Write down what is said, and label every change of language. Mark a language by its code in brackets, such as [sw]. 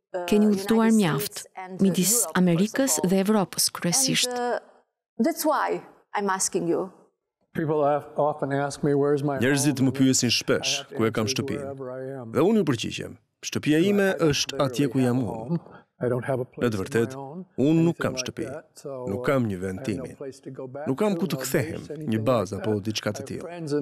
[sq] Keni udhëtuar mjaft midis Amerikës dhe Evropës kryesisht. [en] That's why I'm asking you. People often ask me where is my home. [sq] Njerëzit më pyesin shpesh ku e kam shtëpinë. Dhe unë ju përgjigjem. Shtëpia ime është atje ku jam unë. Në të vërtetë, unë nuk kam shtëpi, nuk kam një vend timi, nuk kam ku të kthehem, një bazë apo diçka të tillë.